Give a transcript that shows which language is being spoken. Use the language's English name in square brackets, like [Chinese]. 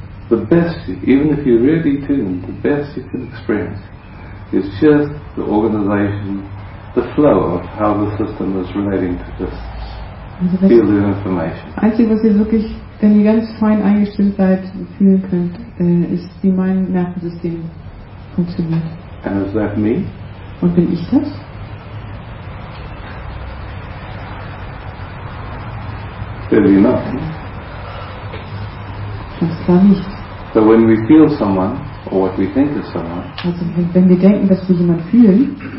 [English] The best, even if you're really tuned, the best you can experience is just the organization, the flow of how the system is relating to this. Feel the information. [German] Das Einzige, was ihr wirklich, wenn ihr ganz fein eingestellt seid, fühlen könnt, ist, wie mein Nervensystem funktioniert. [English] And is that me? [German] Und bin ich das? [English] Clearly not. [German] Das kann nicht. [English] So when we feel someone, or what we think is someone. [German] Also wenn wir denken, dass wir jemanden fühlen.